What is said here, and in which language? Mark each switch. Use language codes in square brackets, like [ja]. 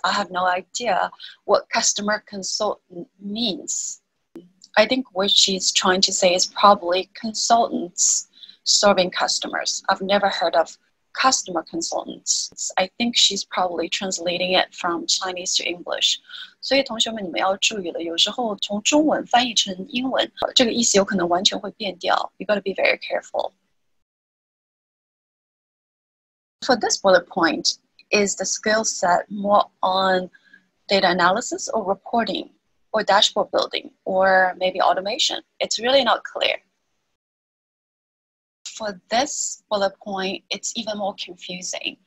[en] I have no idea what customer consultant means. I think what she's trying to say is probably consultants serving customers. I've never heard of customer consultants. I think she's probably translating it from Chinese to English. [zh] 所以同学们，你们要注意了，有时候从中文翻译成英文，这个意思有可能完全会变掉。 [en] You gotta be very careful. For this bullet point, is the skill set more on data analysis or reporting or dashboard building or maybe automation? It's really not clear. For this bullet point, it's even more confusing.